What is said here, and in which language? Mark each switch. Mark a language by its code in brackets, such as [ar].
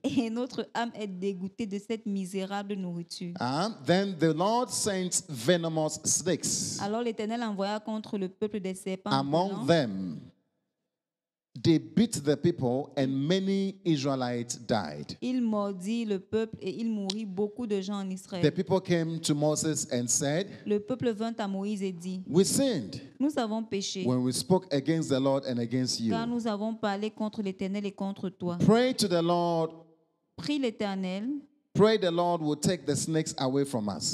[fr] Et notre âme est dégoûtée de cette misérable nourriture. [en] Then the Lord sent venomous snakes. [fr] Alors l'Éternel envoya contre le peuple des serpents. [en] Among them. They beat the people and many Israelites died. [fr] Il mordit le peuple et il mourit beaucoup de gens en Israël. [en] The people came to Moses and said, [fr] le peuple vint à Moïse et dit, [en] we sinned. [fr] Nous avons péché. [en] When we spoke against the Lord and against you. [fr] Car nous avons parlé contre l'Éternel et contre toi. [en] Pray to the Lord. [fr] Prie l'Éternel. [en] Pray the Lord will take the snakes away from us.